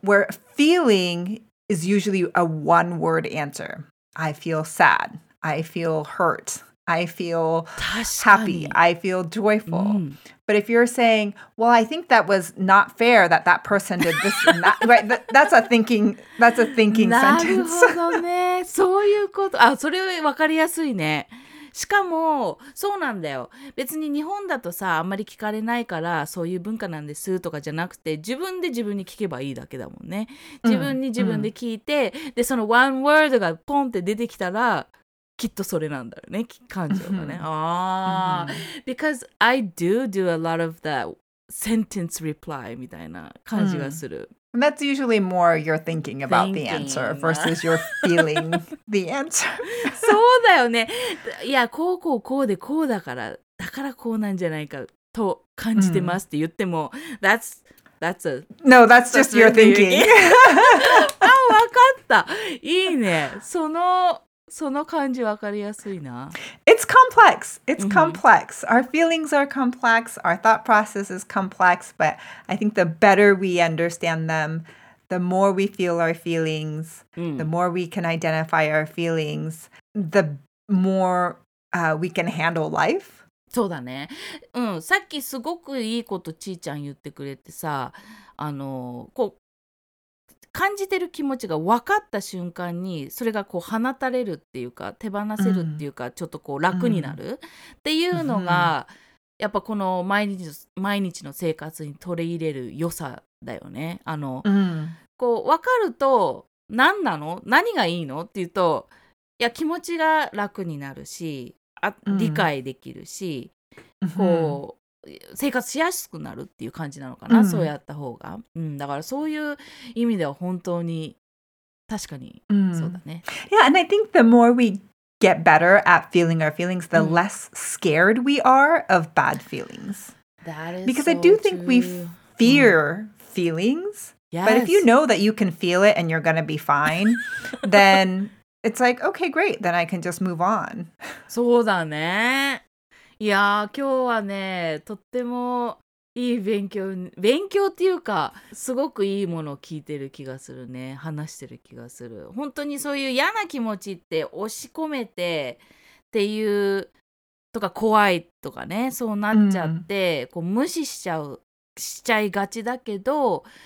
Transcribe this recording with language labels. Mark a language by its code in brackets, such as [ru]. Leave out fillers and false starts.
[en] Where feeling is usually a one word answer. I feel sad. I feel hurt. I feel happy. I feel joyful. But if you're saying, well, I think that was not fair that that person did this and that, right? That's a thinking sentence. [ja] なるほどね。そういうこと。あ、それは分かりやすいね。しかも、そうなんだよ。別に日本だとさ、あんまり聞かれないから、そういう文化なんですとかじゃなくて、自分で自分に聞けばいいだけだもんね。自分に自分で聞いて、で、その one word がポンって出てきたら、きっとそれなんだよね、感情がね。 [en] ああ、because I do a lot of that sentence reply [ja] みたいな感じがする。 [en] And that's usually more you're thinking about the answer versus you're feeling the answer. [ja] そうだよね。いや、こうこうこうでこうだから、だからこうなんじゃないかと感じてますって言っても、 [en] that's a no, that's just your thinking. [ja] あ、わかった。いいね。その感じ分かりやすいな。 [en] It's complex. It's complex. Our feelings are complex. Our thought process is complex. But I think the better we understand them, the more we feel our feelings, the more we can identify our feelings, the more we can handle life. [ja] そうだね。うん。さっきすごくいいことちーちゃん言ってくれてさ、あの、こう、感じてる気持ちが分かった瞬間にそれがこう放たれるっていうか手放せるっていうかちょっとこう楽になるっていうのがやっぱこの毎日の生活に取り入れる良さだよね。あの、こう分かると何なの？何がいいの？っていうと、いや気持ちが楽になるし、あ、理解できるし、こう生活しやすくなるっていう感じなのかな、そうやった方が、だからそういう意味では本当に確かにそうだね。 [en] Yeah, and I think the more we get better at feeling our feelings, the less scared we are of bad feelings. That is because so I do true. Think we fear feelings. Yes. But if you know that you can feel it and you're gonna be fine, then it's like okay, great. Then I can just move on. [ja] そうだね。いやー、今日はね、とってもいい勉強っていうか、すごくいいものを聞いてる気がするね、話してる気がする。本当にそういう嫌な気持ちって押し込めてっていうとか、怖いとかね、そうなっちゃって、こう無視しちゃいがちだけど、